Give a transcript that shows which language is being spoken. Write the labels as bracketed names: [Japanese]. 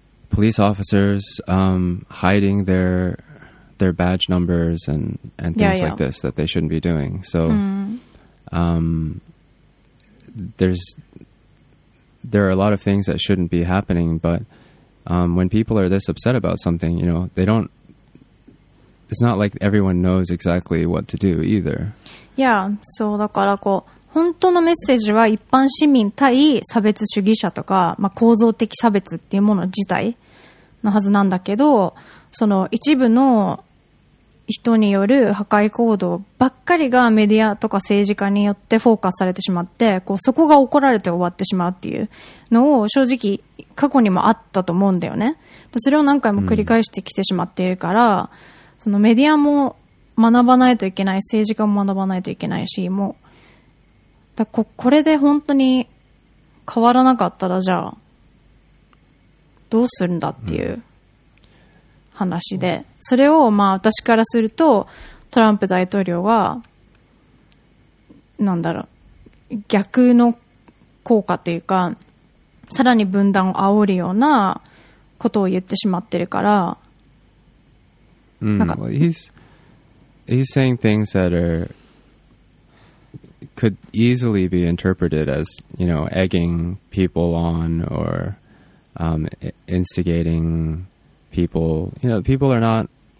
[English] police officers hiding their badge numbers and things like this that they shouldn't be doing. So there's there are a lot of things that shouldn't be happening, but when people are this upset about something, you know, they don't, it's not like everyone knows exactly what to do either. Yeah, so [Japanese] だからこう本当のメッセージは一般市民対差別主義者とか、まあ、構造的差別っていうもの自体のはずなんだけど、その一部の人による破壊行動ばっかりがメディアとか政治家によってフォーカスされてしまって、こうそこが怒られて終わってしまうっていうのを正直過去にもあったと思うんだよね。それを何回も繰り返してきてしまっているから、うん、そのメディアも学ばないといけない、政治家も学ばないといけないし、もうだ これで本当に変わらなかったらじゃあどうするんだっていう話で、それをまあ私からするとトランプ大統領はなんだろう、逆の効果というかさらに分断を煽るようなことを言ってしまってるから、なんか、 [English] well, he's saying things that areCould easily be interpreted as, you know, egging people on or instigating people. You know, people are not...